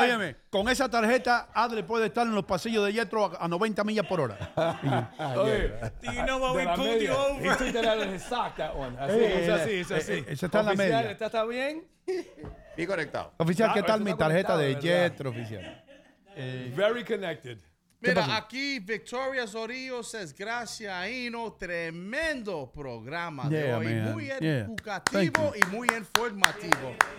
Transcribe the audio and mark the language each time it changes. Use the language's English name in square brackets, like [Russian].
[Spanish] Óyeme, con esa tarjeta, Adler puede estar en los pasillos de Jetro a 90 millas por hora. [English] Do you know what we pulled you over? He took that out of his sock, that one. [Spanish] Es así. Está en la media. Oficial, ¿está bien? Y conectado. Oficial, ¿qué tal mi tarjeta de Jetro, oficial? [English] Very connected. [Spanish] Mira, aquí Victoria Zorillo says, gracias, Aino. Tremendo programa de hoy. Man. Muy educativo y muy informativo.